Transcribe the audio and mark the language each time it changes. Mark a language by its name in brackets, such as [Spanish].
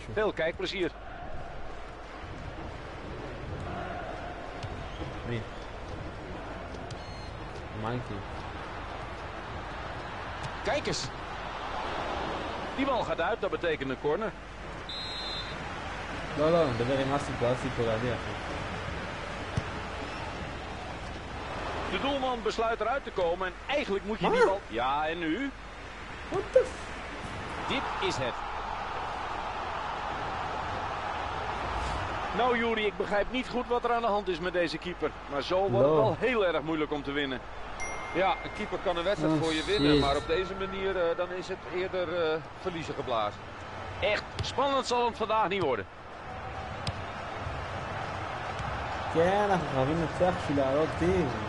[Dutch] Veel kijkplezier. Wie? Mikey. Kijk eens. Die bal gaat uit, dat betekent een corner. [Hebrew] לא, לא, נדבר עם אסי פה, אסי פה להדיע, אחי. [Dutch] De doelman besluit eruit te komen en eigenlijk moet je die bal... Ja, en nu? [English] What the f... [Dutch] Dit is het. Nou, Juri, ik begrijp niet goed wat er aan de hand is met deze keeper. Maar zo wordt het wel heel erg moeilijk om te winnen. Ja, een keeper kan een wedstrijd voor je winnen, maar op deze manier dan is het eerder verliezen geblazen. Echt spannend zal het vandaag niet worden. [Hebrew] כן, אנחנו חייבים לנצח בשביל לעלות טיר.